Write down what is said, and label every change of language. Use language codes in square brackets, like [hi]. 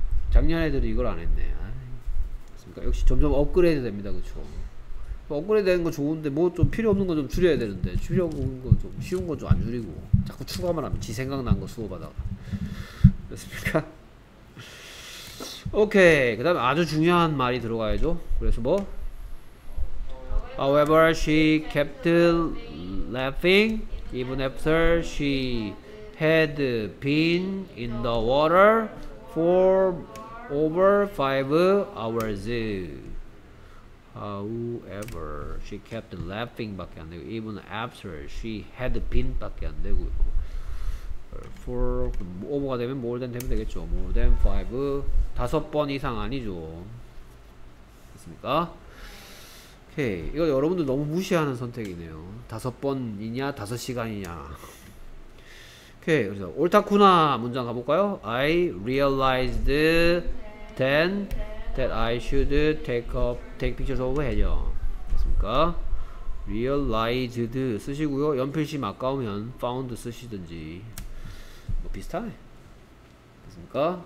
[ko] 작년에도 이걸 안 했네. 그러니까 역시 점점 업그레이드 됩니다. 그렇죠? 업그레이드 되는 거 좋은데 뭐 좀 필요 없는 거 좀 줄여야 되는데 필요 없는 거 좀 쉬운 거 좀 안 줄이고 자꾸 추가만 하면 지 생각난 거 수호받아가. 됐습니까? 오케이. 그 다음에 아주 중요한 말이 들어가야죠. 그래서 뭐? [en] However, she kept laughing even after she had been in the water for over 5 hours. However, she kept laughing [ko] 밖에 안 되고 [en] even after she had been 밖에 안 되고 for over가 되면 more than [ko] 되면 되겠죠. [en] more than [ko] 5 다섯 번 이상 아니죠. 됐습니까? 오케이. 이거 여러분들 너무 무시하는 선택이네요. 다섯 번이냐 다섯 시간이냐. 오케이. 그래서 옳다쿠나 문장 가볼까요? [en] I realized then that I should take pictures of 해녀. [ko] 있습니까? realized 쓰시고요. 연필심 아까우면 found 쓰시든지 뭐 비슷하네. 됐습니까?